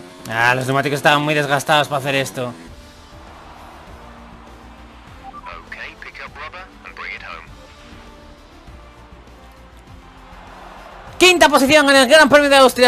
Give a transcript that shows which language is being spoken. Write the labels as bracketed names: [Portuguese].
[Spanish] Ah, los neumáticos estaban muy desgastados para hacer esto. [English] Okay, pick up rubber and bring it home. [Spanish] Quinta posición en el Gran Premio de Austria.